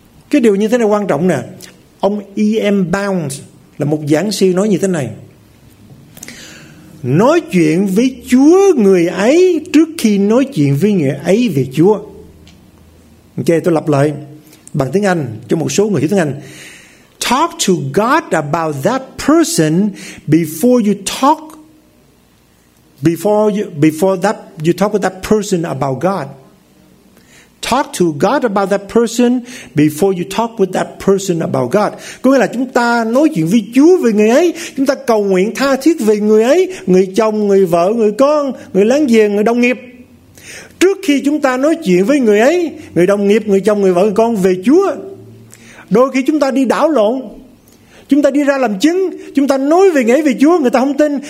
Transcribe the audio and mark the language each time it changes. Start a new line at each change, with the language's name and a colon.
Vietnamese: Cái điều như thế này quan trọng nè. Ông E.M. Bounds là một giảng sư nói như thế này. Nói chuyện với Chúa người ấy trước khi nói chuyện với người ấy về Chúa. Ok, tôi lặp lại bằng tiếng Anh cho một số người hiểu tiếng Anh.
English: Talk to God about that person before you talk with that person about God. Talk to God about that person before you talk with that person about God.
Vietnamese: Có nghĩa là chúng ta nói chuyện với Chúa về người ấy, chúng ta cầu nguyện tha thiết về người ấy, người chồng, người vợ, người con, người láng giềng, người đồng nghiệp. Trước khi chúng ta nói chuyện với người ấy, người đồng nghiệp, người chồng, người vợ, người con về Chúa. Đôi khi chúng ta đi đảo lộn, chúng ta đi ra làm chứng, chúng ta nói về nghĩa về Chúa, người ta không tin.